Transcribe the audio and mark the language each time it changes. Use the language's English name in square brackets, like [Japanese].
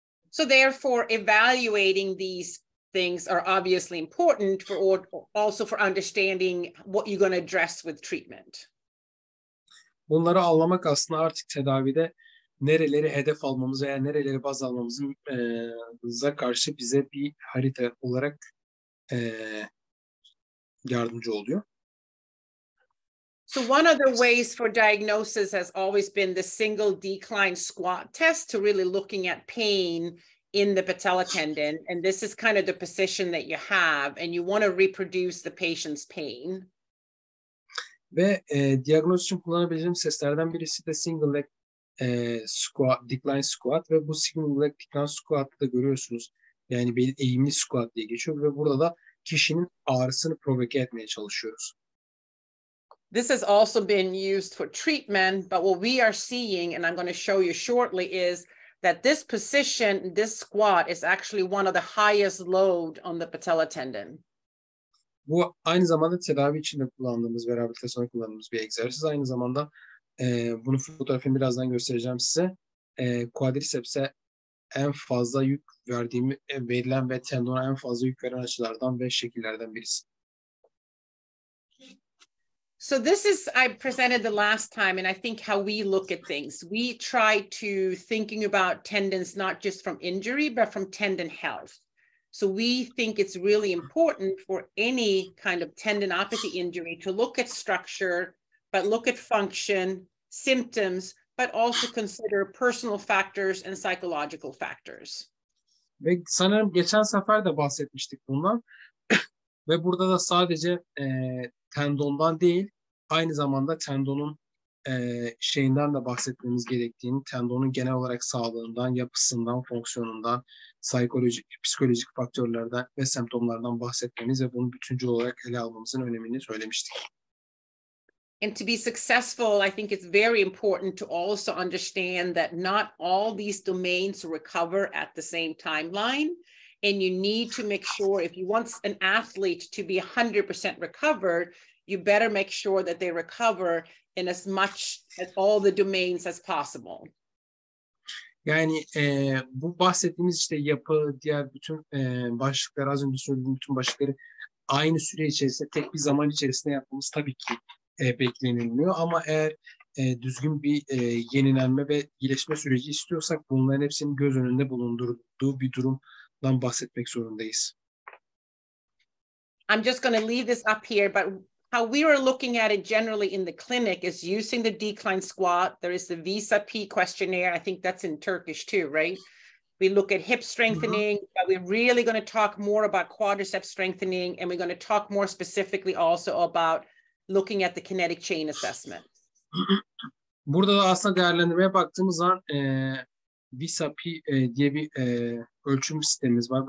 [English] So therefore evaluating these things are obviously important for also for understanding what you're going to address with treatment. [Turkish] Bunları anlamak aslında artık tedavide nereleri hedef almamız veya nereleri baz almamıza karşı bize bir harita olarak yardımcı oluyor. [English] So one of the ways for diagnosis has always been the single decline squat test to really looking at pain in the patella tendon. And this is kind of the position that you have and you want to reproduce the patient's pain. [Turkish] Ve diagnoz için kullanabileceğim seslerden birisi de single leg squat, decline squat. Ve bu single leg decline squat'ı da görüyorsunuz. Yani bir eğimli squat diye geçiyor ve burada da kişinin ağrısını provoke etmeye çalışıyoruz. [English] This has also been used for treatment, but what we are seeing, and I'm going to show you shortly, is that this position, this squat, is actually one of the highest load on the patella tendon. [Turkish] Bu aynı zamanda tedavi içinde kullandığımız ve rehabilitasyon kullandığımız bir egzersiz. Aynı zamanda bunu fotoğrafını birazdan göstereceğim size. Quadriceps'e en fazla yük verilen ve tendona en fazla yük veren açılardan ve şekillerden birisi. [English] So this is, I presented the last time, and I think how we look at things. We try to thinking about tendons, not just from injury, but from tendon health. So we think it's really important for any kind of tendinopathy injury to look at structure, but look at function, symptoms, but also consider personal factors and psychological factors. [Turkish] Ve sanırım geçen sefer de bahsetmiştik bundan. Ve burada da sadece tendondan değil, aynı zamanda tendonun şeyinden de bahsetmemiz gerektiğini, tendonun genel olarak sağlığından, yapısından, fonksiyonundan, psikolojik, psikolojik faktörlerden ve semptomlardan bahsetmemiz ve bunu bütüncül olarak ele almamızın önemini söylemiştik. [English] And to be successful, I think it's very important to also understand that not all these domains recover at the same timeline. And you need to make sure if you want an athlete to be 100% recovered, you better make sure that they recover in as much as all the domains as possible. [Turkish] Yani bu bahsettiğimiz işte yapı, diğer bütün başlıkları, az önce söylediğim bütün başlıkları aynı süre içerisinde, tek bir zaman içerisinde yapmamız tabii ki beklenilmiyor. Ama eğer düzgün bir yenilenme ve iyileşme süreci istiyorsak bunların hepsinin göz önünde bulundurduğu bir durumdan bahsetmek zorundayız. [English] I'm just going to leave this up here, but how we are looking at it generally in the clinic is using the decline squat. There is the VSAP questionnaire. I think that's in Turkish too, right? We look at hip strengthening, mm-hmm. but we're really going to talk more about quadricep strengthening, and we're going to talk more specifically also about looking at the kinetic chain assessment. [Turkish] Burada da aslında değerlendirmeye baktığımız zaman VSAP diye bir ölçüm sistemimiz var.